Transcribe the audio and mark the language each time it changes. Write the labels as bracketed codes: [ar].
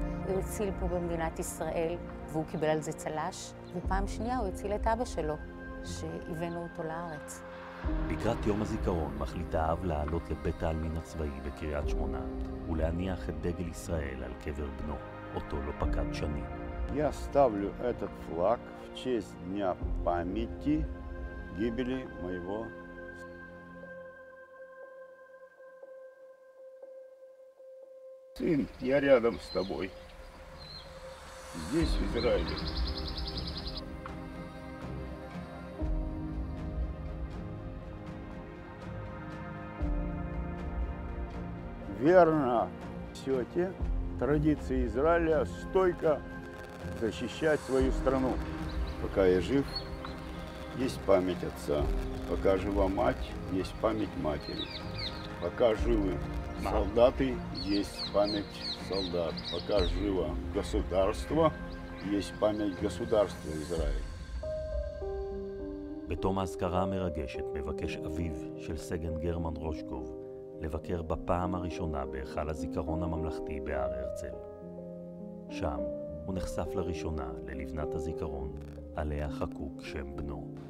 [he] הוא הציל פה במדינת ישראל, והוא קיבל על זה צלש, ופעם שנייה הוא הציל את אבא שלו, שהבאנו אותו לארץ. לקראת יום הזיכרון מחליט האב לעלות לבית העלמין הצבאי בקריית שמונה, ולהניח את דגל ישראל על קבר בנו, אותו לא פקד שנים. [ru] Я ставлю этот флаг в честь дня памяти гибели моего. Сын, я рядом с тобой. Здесь, в Израиле. Верно, все те традиции Израиля стойко защищать свою страну. Пока я жив, есть память отца. Пока жива мать, есть память матери. Пока живы солдаты, есть память солдат. Пока живо государство, есть память государства Израиля. [he] בתום ההזכרה המרגשת מבקש אביו של סגן גרמן רושקוב לבקר בפעם הראשונה בהיכל הזיכרון הממלכתי בהר הרצל. שם הוא נחשף לראשונה ללבנת הזיכרון עליה חקוק שם בנו.